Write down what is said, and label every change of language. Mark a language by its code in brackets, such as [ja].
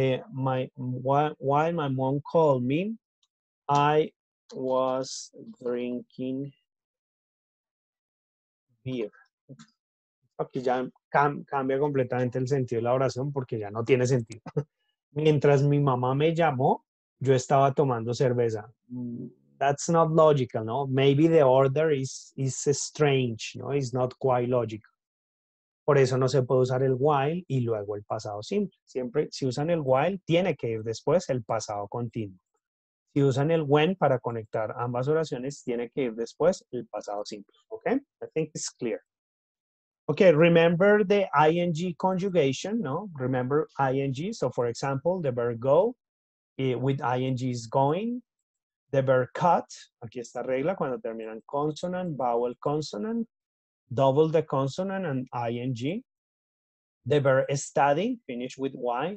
[en] While my mom called me, I was drinking beer. [es] Aquí ya cambia completamente el sentido de la oración porque ya no tiene sentido. Mientras mi mamá me llamó, yo estaba tomando cerveza. [en] That's not logical, no? Maybe the order is strange, no? It's not quite logical. [es] Por eso no se puede usar el while y luego el pasado simple. Siempre, si usan el while, tiene que ir después el pasado continuo. Si usan el when para conectar ambas oraciones, tiene que ir después el pasado simple. [en] ¿Ok? I think it's clear. Ok, remember the ing conjugation, ¿no? Remember ing. So, for example, the verb go with ing is going. The verb cut. [es] Aquí está regla cuando terminan [en] consonant, vowel, consonant. Double the consonant and ing. The verb study, finish with y.